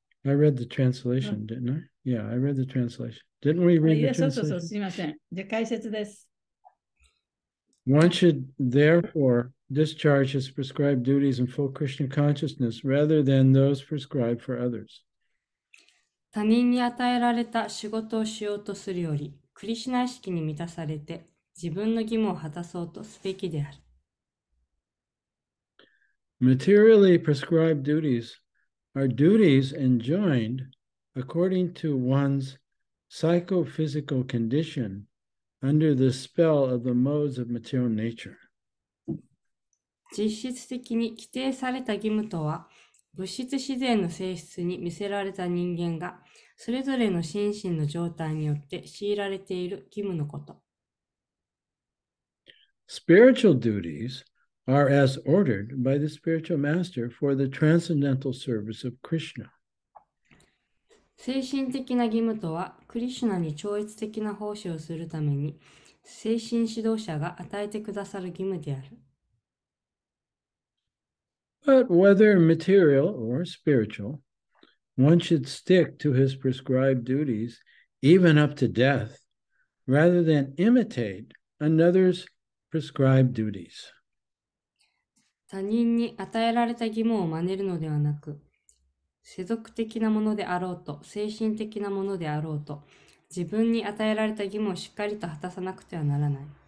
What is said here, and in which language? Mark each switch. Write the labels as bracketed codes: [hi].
[en] I read the translation, didn't I? Yeah, I read the translation. Didn't we read the translation? One should therefore discharge his prescribed duties in full Krishna consciousness rather than those prescribed for others. [ja] 他人に与えられた仕事をしようとするより、クリシュナ意識に満たされて、自分の義務を果たそうとすべきである。 [en] Materially prescribed duties are duties enjoined according to one's psychophysical condition under the spell of the modes of material nature. [ja] 実質的に規定された義務とは、物質自然の性質に見せられた人間がそれぞれの心身の状態によって強いられている義務のこと。 [en] Spiritual duties are as ordered by the spiritual master for the transcendental service of Krishna. [ja] 精神的な義務とは、クリシュナに超越的な奉仕をするために精神指導者が与えてくださる義務である。 [en] But whether material or spiritual, one should stick to his prescribed duties, even up to death, rather than imitate another's prescribed duties. [ja] 他人に与えられた義務を真似るのではなく、世俗的なものであろうと、精神的なものであろうと、自分に与えられた義務をしっかりと果たさなくてはならない。